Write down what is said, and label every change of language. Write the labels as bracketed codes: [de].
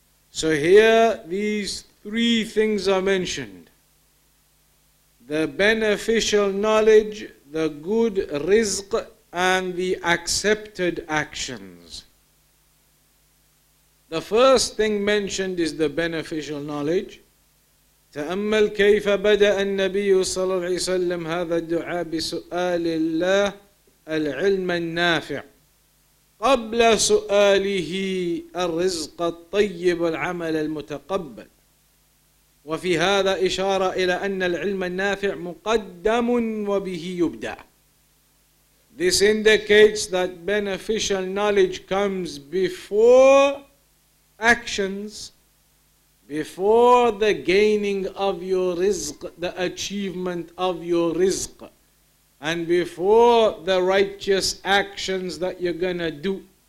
[en] So here, these three things are mentioned. The beneficial knowledge, the good rizq, and the accepted actions. The first thing mentioned is the beneficial knowledge. [ar] تأمل كيف بدأ النبي صلى الله عليه وسلم هذا الدعاء بسؤال الله العلم النافع قبل سؤاله الرزق الطيب والعمل المتقبل. وفي هذا إشارة إلى أن العلم النافع مقدم وبه يبدأ. [en] This indicates that beneficial knowledge comes before actions, before the gaining of your rizq, the achievement of your rizq, and before the righteous actions that you're gonna do.